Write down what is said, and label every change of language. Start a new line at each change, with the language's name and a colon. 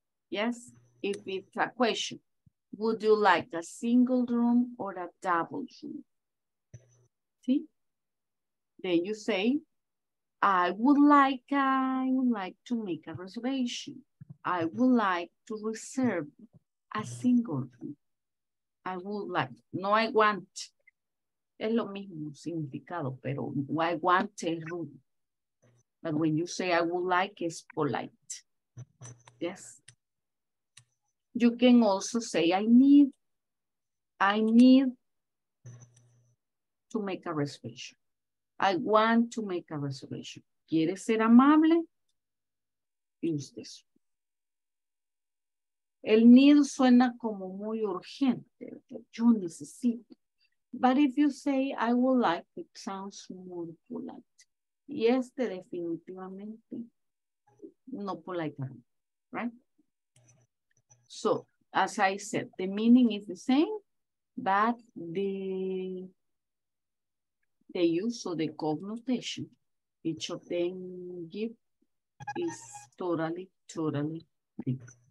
English: Yes, if it's a question, would you like a single room or a double room? See? Then you say, I would like to make a reservation. I would like to reserve a single room. I would like, no, I want.
Spanish: Es lo mismo significado, pero
English: I want a room. But when you say I would like, it's polite. Yes. You can also say I need to make a reservation. I want to make a reservation.
Spanish: ¿Quiere ser amable?
English: Use this.
Spanish: El need suena como muy urgente, yo necesito.
English: But if you say, I would like, it sounds more polite.
Spanish: Y este definitivamente no polite, right?
English: So, as I said, the meaning is the same, but the use of the connotation, each of them give is totally, totally different.